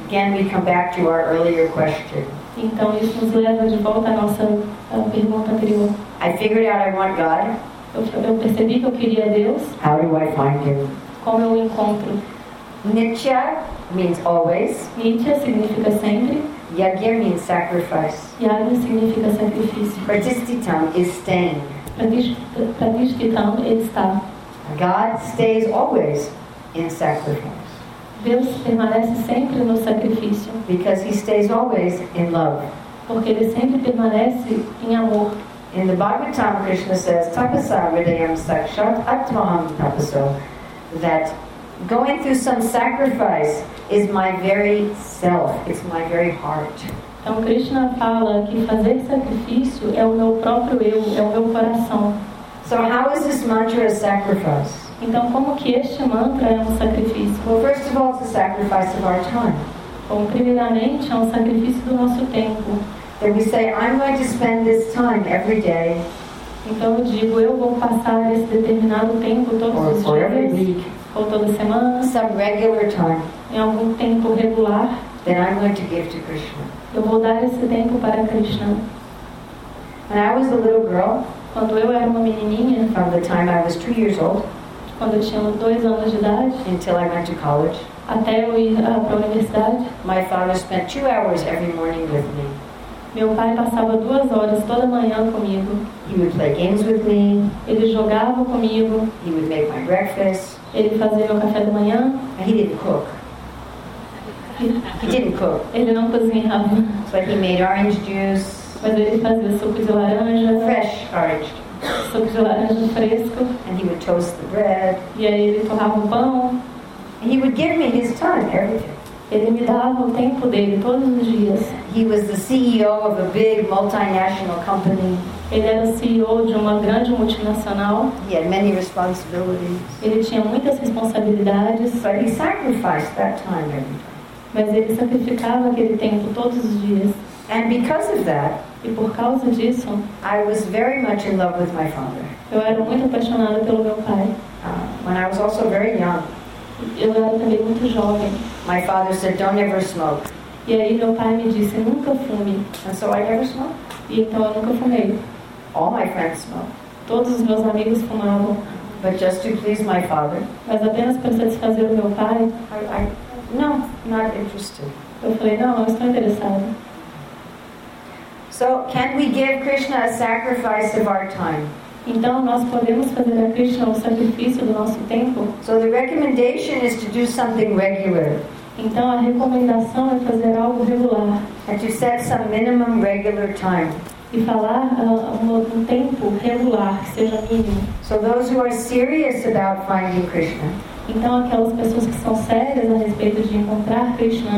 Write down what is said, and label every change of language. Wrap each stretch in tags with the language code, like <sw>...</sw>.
<en>Again, we come back to our earlier question.</en> <pt>Então, isso nos leva de volta à nossa pergunta anterior.</pt> <en>I figured out I want God.</en> <pt>Eu percebi que eu queria Deus.</pt> <en>How do I find Him?</en> <pt>Como eu o encontro?</pt> <en>Nitya means always.</en> <pt>Nitya significa sempre.</pt> <en>Yajna means sacrifice.</en> <pt>Yajna significa sacrifício.</pt> <en>Pratishthitam is staying.</en> <pt>Pratishthitam é estar.</pt> <en>God stays always in sacrifice.</en> <pt>Deus permanece sempre no sacrifício.</pt> <en>Because He stays always in love.</en> <pt>Porque Ele sempre permanece em amor.</pt> <en>In the Bhagavatam, Krishna says,</en> <sa>"Tapasa vidayam sakshat atmaham tapaso,"</sa> <en>that going through some sacrifice is my very self. It's my very heart.</en> <pt>Então Krishna fala que fazer sacrifício é o meu próprio eu, é o meu coração.</pt> <en>So how is this mantra a sacrifice?</en> <pt>Então como que este mantra é sacrifício?</pt> <en>Well, first of all, it's a sacrifice of our time.</en> <pt>Bom, primeiramente, é sacrifício do nosso tempo.</pt> <en>Then we say, I'm going to spend this time every day.</en> <pt>Então eu digo, eu vou passar esse determinado tempo todos os dias.</pt> <en>Every week.</en> <pt>Ou toda semana.</pt> <en>Some regular time.</en> <pt>Em algum tempo regular.</pt> <en>Then I'm going to give to Krishna.</en> <pt>Eu vou dar esse tempo para Krishna.</pt> <en>When I was a little girl.</en> <pt>Quando eu era uma menininha.</pt> <en>From the time I was 2 years old.</en> <pt>Quando eu tinha 2 anos de idade.</pt> <en>Until I went to college.</en> <pt>Até eu ir para a universidade.</pt> <en>My father spent 2 hours every morning with me.</en> <pt>Meu pai passava 2 horas toda manhã comigo.</pt> <en>He would play games with me.</en> <pt>Ele jogava comigo.</pt> <en>He would make my breakfast.</en> <pt>Ele fazia meu café da manhã.</pt> <en>He didn't cook.</en> <pt>Ele não cozinhava.</pt> <en>But he made orange juice.</en> <pt>Mas ele fazia suco de laranja.</pt> <en>Fresh orange.</en> <pt>Suco de laranja fresco.</pt> <en>And he would toast the bread.</en> <pt>E aí ele torrava o pão.</pt> <en>And he would give me his time every day.</en> <pt>Ele me dava o tempo dele todos os dias.</pt> <en>He was the CEO of a big multinational company.</en> <pt>Ele era CEO de uma grande multinacional.</pt> <en>He had many responsibilities.</en> <pt>Ele tinha muitas responsabilidades.</pt> <en>But he sacrificed that time every day.</en> <pt>Mas ele sacrificava aquele tempo todos os dias.</pt> <en>And because of that,</en> <pt>e por causa disso,</pt> <en>I was very much in love with my father.</en> <pt>Eu era muito apaixonada pelo meu pai.</pt> <en>When I was also very young.</en> <pt>Eu era também muito jovem.</pt> <en>My father said, "Don't ever smoke."</en> <pt>E aí meu pai me disse, "Nunca fume."</pt> <en>And so I never smoked.</en> <pt>E então eu nunca fumei.</pt> <en>All my friends smoked.</en> <pt>Todos os meus amigos fumavam.</pt> <en>But just to please my father.</en> <pt>Mas apenas para satisfazer o meu pai.</pt> <en>No, not interested.</en> <pt>Eu falei, não, não estou interessada.</pt> <en>So, can we give Krishna a sacrifice of our time?</en> <pt>Então, nós podemos fazer a Krishna o sacrifício do nosso tempo?</pt> <en>So, the recommendation is to do something regular.</en> <pt>Então, a recomendação é fazer algo regular.</pt> <en>And to set some minimum regular time.</en> <pt>E falar um tempo regular, que seja mínimo.</pt> <en>So, those who are serious about finding Krishna.</en> <pt>Então, aquelas pessoas que são sérias a respeito de encontrar Krishna.</pt>